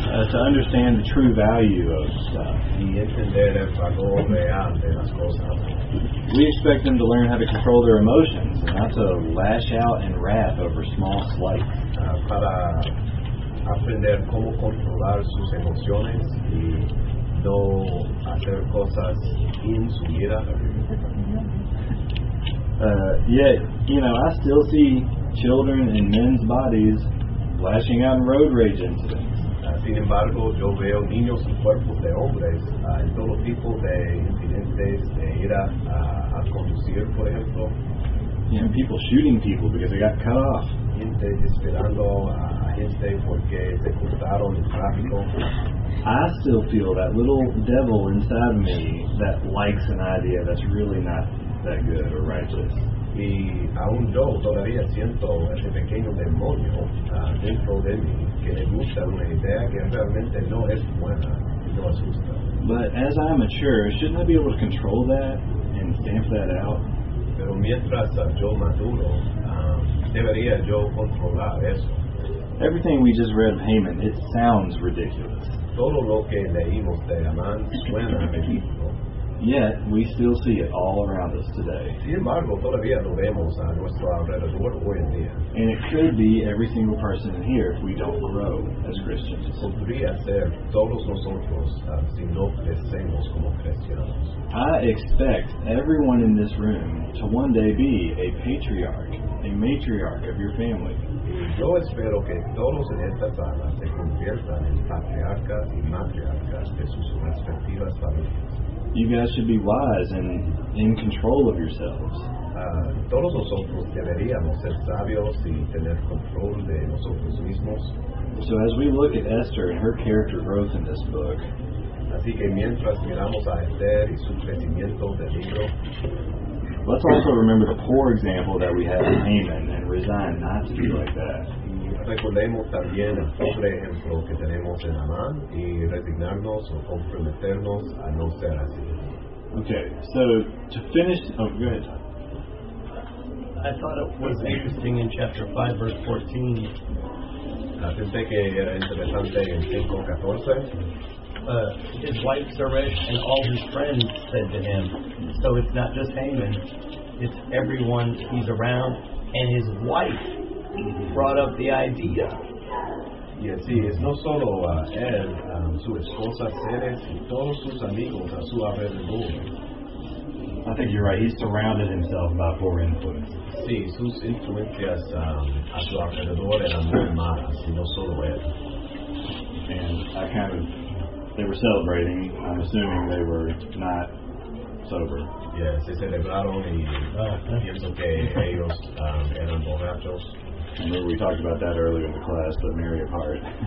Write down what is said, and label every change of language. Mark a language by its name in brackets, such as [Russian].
[English] To understand the true value of stuff. [Spanish] Y entender el valor real de las cosas. [English] We expect them to learn how to control their emotions and not to lash out in wrath over small slights. [Spanish] Para aprender cómo controlar sus emociones y no hacer cosas en su vida. [English] Yet, you know, I still see children in men's bodies lashing out in road rage incidents. [Spanish] Sin embargo, yo veo niños en cuerpos de hombres en todo tipo de incidentes de ira a conducir, por ejemplo. [English] You know, people shooting people because they got cut off. [Spanish] Gente disparando a gente porque se cortaron el tráfico. [English] I still feel that little devil inside me that likes an idea that's really not that good or righteous. [Spanish] Y aún yo todavía siento ese pequeño demonio dentro de mí que le gusta una idea que realmente no es buena y no es justa. [English] But as I mature, shouldn't I be able to control that and stamp that out? [Spanish] Pero mientras yo maduro, debería yo controlar eso. [English] Everything we just read of Haman, it sounds ridiculous. [Spanish] Todo lo que leímos de Amán suena ridículo. [English] Yet, we still see it all around us today. [Spanish] Sin embargo, todavía lo vemos a nuestro alrededor hoy en día. [English] And it could be every single person in here if we don't grow as Christians. [Spanish] Podría ser todos nosotros si no crecemos como cristianos. [English] I expect everyone in this room to one day be a patriarch, a matriarch of your family. [Spanish] Yo espero que todos en esta sala se conviertan en patriarcas y matriarcas de sus respectivas familias. [English] You guys should be wise and in control of yourselves. [Spanish] Todos nosotros deberíamos ser sabios y tener control de nosotros mismos. [English] So as we look at Esther and her character growth in this book, [Spanish] así que mientras miramos a Esther y su crecimiento del libro, [English] let's also remember the poor example that we have in Haman and resign not to be like that. [Spanish] Recordemos también el pobre ejemplo que tenemos en Amán y resignarnos o comprometernos a no ser así. [English] Okay, so to finish... Oh, go ahead, Todd. I thought it was interesting in chapter 5, verse 14. [Spanish] Pensé que era interesante en 5:14. [English] His wife Zeresh and all his friends said to him, so it's not just Haman, it's everyone he's around, and his wife brought up the idea. [Spanish] Y así es, no solo él, su esposa Zeresh y todos sus amigos a su alrededor. [English] I think you're right, he surrounded himself by poor influences. [Spanish] Sí, sus influencias a su alrededor eran muy malas, y no solo él. [English] And I kind of they were celebrating. I'm assuming they were not sober. [Spanish] Yes, se celebraron y pienso que ellos eran borrachos. [English] Remember we talked about that earlier in the class, but merry apart.